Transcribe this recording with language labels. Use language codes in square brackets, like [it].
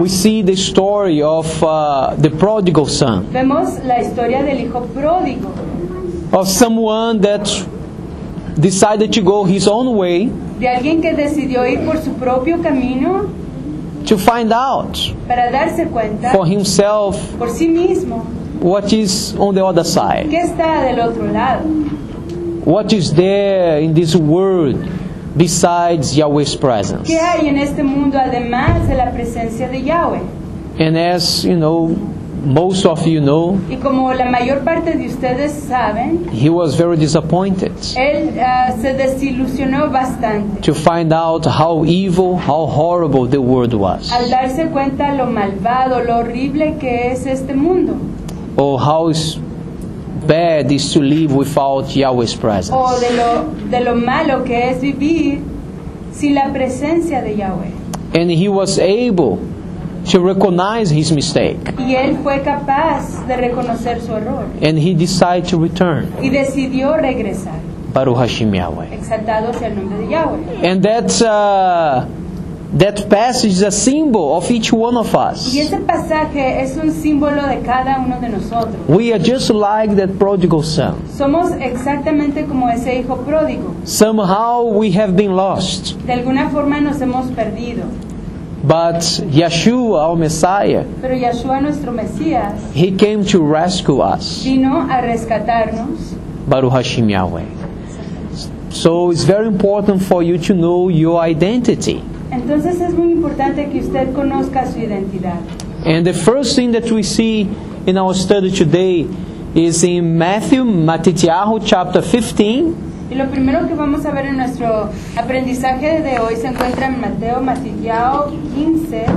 [en] we see the story of the prodigal son. [es] Vemos la historia del hijo pródigo. [en] Of someone that decided to go his own way. [es] De alguien que decidió ir por su propio camino. [en] To find out. [es] Para darse cuenta. [en] For himself. [es] Por sí mismo. [en] What is on the other side. [es] ¿Qué está del otro lado? [en] What is there in this world besides Yahweh's presence? [es] ¿Qué hay en este mundo además de la presencia de Yahweh? [en] And as you know, most of you know. [es] Y como la mayor parte de ustedes saben, [en] he was very disappointed. [es] Él se desilusionó bastante. [en] To find out how evil, how horrible the world was. [es] Al darse cuenta lo malvado, lo horrible que es este mundo. [en] Or how bad is to live without Yahweh's presence. [es] O de lo malo que es vivir sin la presencia de Yahweh. [en] And he was able to recognize his mistake. [es] Y él fue capaz de reconocer su error. [en] And he decided to return. [es] Y decidió regresar. [he] Baruch Hashem Yahweh. [es] Exaltado sea el nombre de Yahweh. [en] And that passage is a symbol of each one of us. [es] Y ese pasaje es un símbolo de cada uno de nosotros. [en] We are just like that prodigal son. [es] Somos exactamente como ese hijo pródigo. [en] Somehow we have been lost. [es] De alguna forma nos hemos perdido. [en] But Yeshua, our Messiah, [es] pero Yeshua, nuestro Mesías, [en] he came to rescue us. [es] Vino a rescatarnos. [he] Baruch Hashem Yahweh. [en] So it's very important for you to know your identity. [es] Entonces es muy importante que usted conozca su identidad. [en] And the first thing that we see in our study today is in Matthew, Matityahu, chapter 15. [es] Y lo primero que vamos a ver en nuestro aprendizaje de hoy se encuentra en Mateo, Matityahu 15,